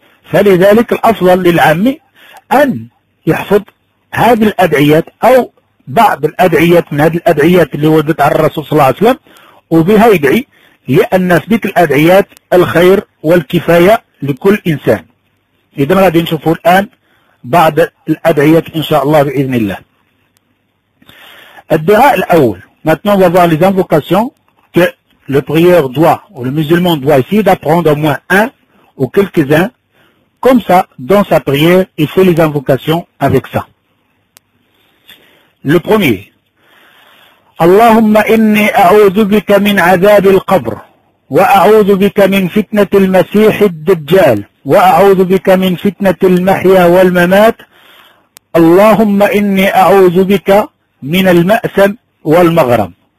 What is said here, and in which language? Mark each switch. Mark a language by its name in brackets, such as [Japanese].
[Arabic] فلذلك الأفضل للعام أن يحفظ هذه الأدعيات أو بعض الأدعيات من هذه الأدعيات اللي وردت على الرسول صلى الله عليه وسلم، وبها يدعي، لأن في ذلك الأدعيات الخير والكفاية لكل إنسان. إذا غادي نشوفوا الآن بعض الأدعيات إن شاء الله بإذن الله. الدعاء الأول، [French] maintenant on va voir les invocations que le prieur doit ou le musulman doit essayer d'apprendre au moins un ou quelques-uns. Comme ça, dans sa prière, il fait les invocations avec ça. Le premier. [Arabic] اللهم إني أعوذ بك من عذاب القبر وأعوذ بك من فتنة المسيح الدجال وأعوذ بك من فتنة المحيا والممات. اللهم إني أعوذ بك من المأثم والمغرم.